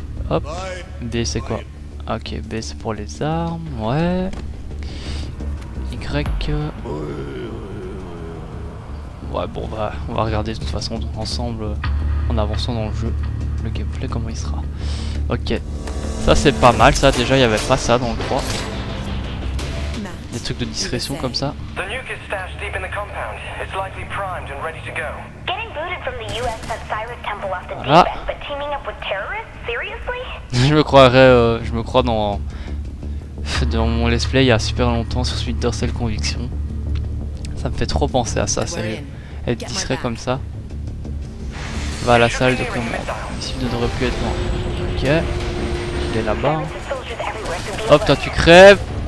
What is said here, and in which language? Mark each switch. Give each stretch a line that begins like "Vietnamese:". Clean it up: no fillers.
French: Hop. B, c'est quoi? Ok, B, c'est pour les armes. Ouais. Y. Ouais, bon, bah, on va regarder de toute façon ensemble en avançant dans le jeu le gameplay comment il sera. Ok, ça c'est pas mal. Ça déjà, il n'y avait pas ça dans le 3. Des trucs de discrétion comme ça.
English: The nuke is stashed deep in the compound. It's likely primed and ready to go. Getting booted from the US at Cyrus Temple off the deep end, but teaming up with terrorists, seriously?
French: je me crois dans mon let's play il y a super longtemps sur Splinter Cell Conviction. Ça me fait trop penser à ça, sérieux. Être discret comme ça. Va à la salle de commande. Ici, il ne devrait plus être loin. Ok. Il est là-bas. Hop, toi, tu crèves.